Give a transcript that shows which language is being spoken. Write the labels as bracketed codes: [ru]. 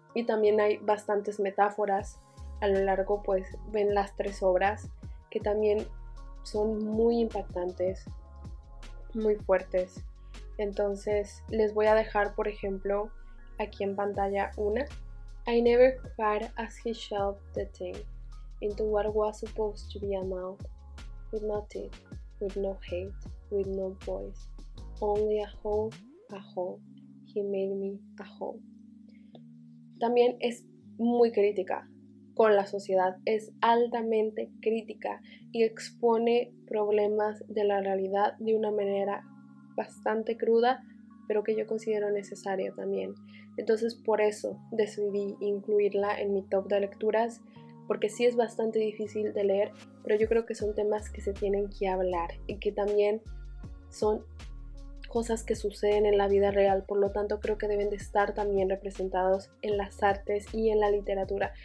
[es] Y también hay bastantes metáforas a lo largo, pues ven las tres obras, que también son muy impactantes, muy fuertes. Entonces les voy a dejar, por ejemplo, aquí en pantalla una. [en] I never cried as he shoved the thing into what was supposed to be a mouth, with no teeth, with no hate, with no voice, only a hole, he made me a hole. [es] También es muy crítica con la sociedad, es altamente crítica y expone problemas de la realidad de una manera bastante cruda, pero que yo considero necesaria también. Entonces por eso decidí incluirla en mi top de lecturas, porque sí es bastante difícil de leer, pero yo creo que son temas que se tienen que hablar y que también son cosas que suceden en la vida real, por lo tanto creo que deben de estar también representados en las artes y en la literatura.